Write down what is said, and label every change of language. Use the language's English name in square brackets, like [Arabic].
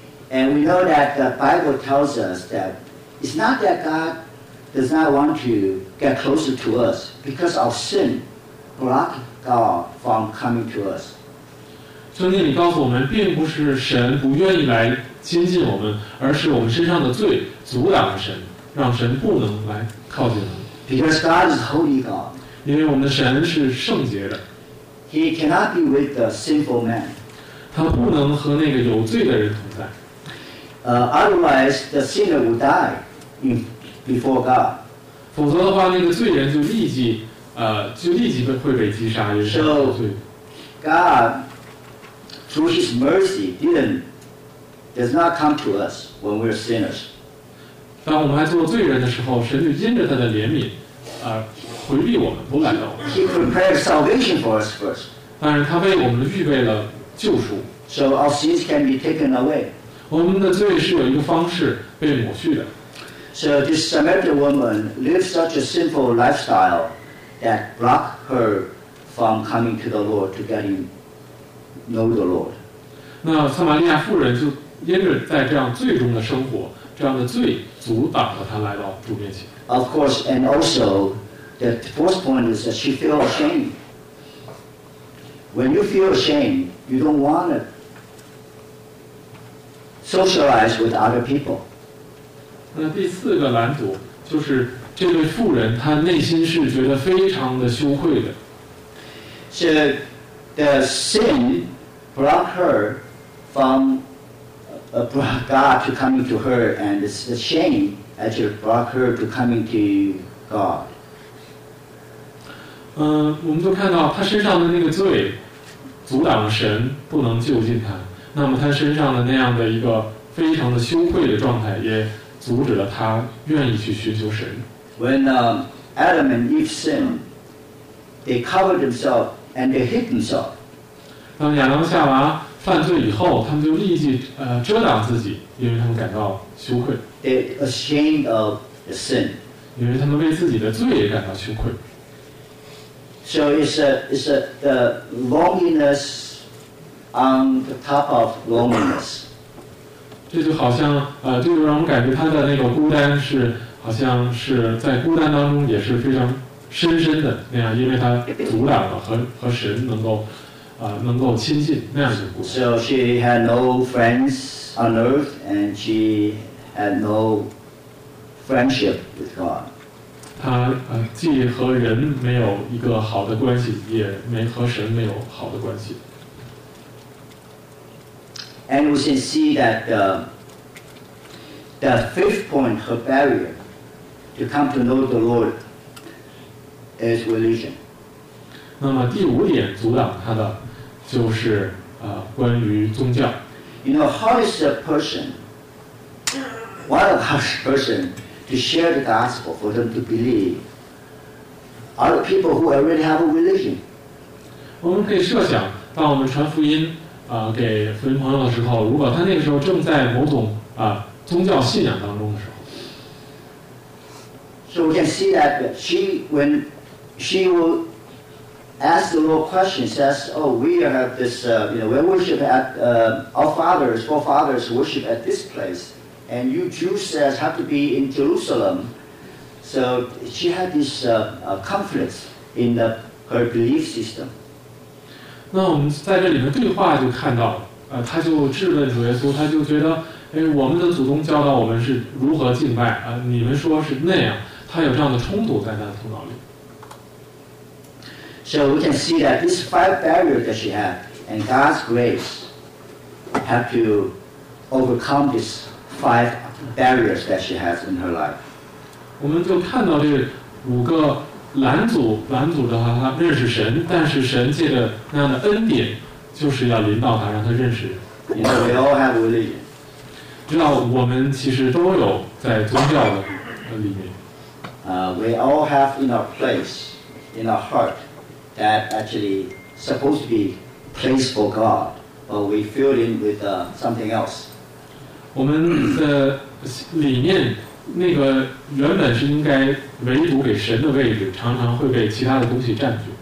[English] And we know that the Bible tells us that it's not that God does not want to get closer to us because of sin block God from coming to us. [Chinese] 圣经里告诉我们，并不是神不愿意来亲近我们，而是我们身上的罪阻挡了神，让神不能来靠近我们。 [English] Because God is holy God. [Chinese] 因为我们的神是圣洁的。 [English] He cannot be with the sinful man. [Chinese] 他不能和那个有罪的人同在。 [English] Otherwise, the sinner will die before God. [Chinese] 否则的话，那个罪人就立即会被击杀，也是有罪。 [English] So, God, through His mercy, does not come to us when we're sinners. [Chinese] 当我们还做罪人的时候，神就因着他的怜悯，回避我们，不来到我们。 [English] He prepared salvation for us first. [Chinese] 但是他为我们预备了救赎。 [English] So our sins can be taken away. [Chinese] 我们的罪是有一个方式被抹去的。 [English] So this Samaritan woman lived such a sinful lifestyle that blocked her from coming to the Lord to get him know the Lord. [Chinese] 那撒玛利亚妇人就因着在这样罪中的生活，这样的罪阻挡了她来到主面前。 [English] Of course, and also, the fourth point is that she feels ashamed. When you feel ashamed, you don't want to socialize with other people. [Chinese] 那第四个拦阻就是这位妇人，她内心是觉得非常的羞愧的。 [English] So the sin block her from God to coming to her, and it's the shame actually block her to coming to God. [Chinese] 我们就看到他身上的那个罪阻挡了神不能就近他，那么他身上的那样的一个非常的羞愧的状态也阻止了他愿意去寻求神。 [English] When Adam and Eve sinned, they covered themselves and they hid themselves. [Chinese] 当亚当夏娃犯罪以后，他们就立即遮挡自己，因为他们感到羞愧。 [English] They ashamed of the sin. [Chinese] 因为他们为自己的罪也感到羞愧。 [English] So it's the loneliness on the top of loneliness. [Chinese] 这就好像就让我们感觉他的那个孤单是好像是在孤单当中也是非常深深的那样，因为他阻挡了和神能够亲近那样的孤单。 [English] So she had no friends on earth, and she had no friendship with God. [Chinese] 他既和人没有一个好的关系，也没和神没有好的关系。 [English] And we can see that the fifth point, her barrier to come to know the Lord, is religion. [Chinese] 那么第五点阻挡他的就是关于宗教。 [English] You know, how is a person, what a harsh person to share the gospel for them to believe? Are the people who already have a religion? [Chinese] 我们可以设想，当我们传福音给福音朋友的时候，如果他那个时候正在某种宗教信仰当中的时候。 [English] So we can see that when she will ask the Lord questions, says, oh, we have this, we worship at, our fathers, forefathers worship at this place, and you Jews says have to be in Jerusalem. So she had this conflict in her belief system. [Chinese] 那我们在这里面对话就看到他就质问主耶稣，他就觉得我们的祖宗教导我们是如何敬拜你们说是那样，他有这样的冲突在他的头脑里。 [English] So we can see that these five barriers that she had and God's grace have to overcome these five barriers that she has in her life. [Chinese] 我们就看到这五个拦阻着他认识神，但是神借着那样的恩典，就是要引导他，让他认识。 [English] You know, we all have religion. [Chinese] 知道我们其实都有在宗教的里面。 [English] We all have in our place, in our heart, that actually supposed to be place for God, but we filled in with something else. [Chinese] 我们的理念。那个原本是应该唯独给神的位置，常常会被其他的东西占据。